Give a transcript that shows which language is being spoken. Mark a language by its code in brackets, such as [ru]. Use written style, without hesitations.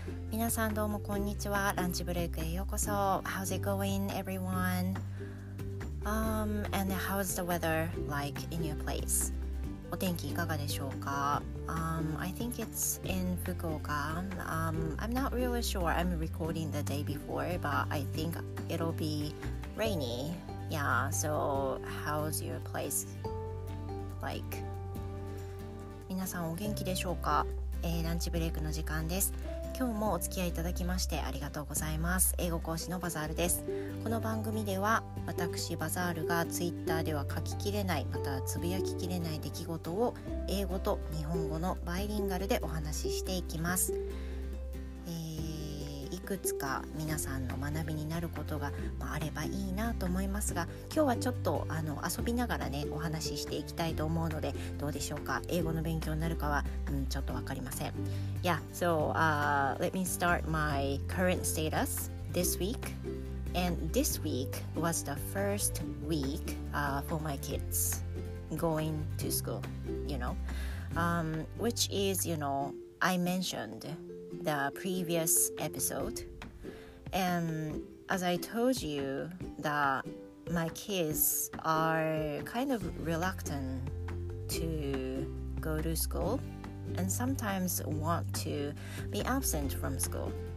[ja] 皆さんどうもこんにちは。ランチブレイクへようこそ。 [en] How's it going, everyone? And how's the weather like in your place? [ja] お天気いかがでしょうか? [en] I think it's in Fukuoka. I'm not really sure. I'm recording the day before, but I think it'll be rainy. Yeah, so how's your place like? [ja] 皆さんお元気でしょうか、ランチブレイクの時間です。今日もお付き合いいただきましてありがとうございます。英語講師のバザールです。この番組では私バザールがツイッターでは書ききれない、またはつぶやききれない出来事を英語と日本語のバイリンガルでお話ししていきます。いくつか皆さんの学びになることがあればいいなと思いますが、今日はちょっと遊びながらねお話ししていきたいと思うので、どうでしょうか。英語の勉強になるかは、ちょっとわかりません。 [en] Yeah, so let me start my current status this week. And this week was the first week for my kids going to school, you know, which is, you know, I mentionedthe previous episode, and as I told you that my kids are kind of reluctant to go to school and sometimes want to be absent from school.